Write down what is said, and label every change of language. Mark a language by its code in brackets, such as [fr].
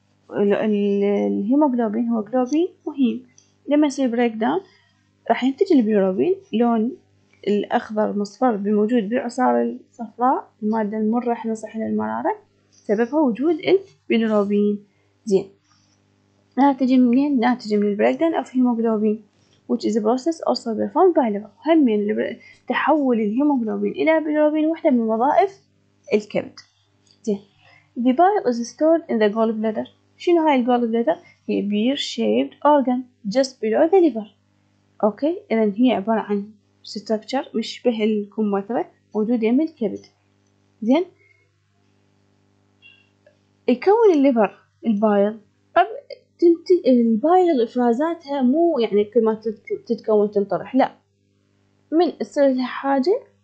[ar] الهيموجلوبين هو جلوبين مهم، لما يصير بريك داون راح ينتج البيلروبين لون الاخضر مصفر بموجود بالعصارة الصفراء، المادة المرة احنا صحينا المرارة سببها وجود البيلروبين. زين، ناتج منين؟ ناتج من [en] البريك down of haemoglobin which is a process also performed by liver. [ar] هم يعني تحول الهيموغلوبين إلى بيلروبين واحدة من وظائف الكبد. زين، [en] the bile is stored in the gallbladder. [ar] شنو هاي الجولبلادر؟ هي [en] beer shaped organ just below the liver. [ar] أوكي، إذا هي عبارة عن structure مشبه الكمثرى موجودة يم الكبد. زين، يكون الليفر البايل البايل افرازاتها مو يعني كل ما تتكون تنطرح، لا، من تصير لها حاجة.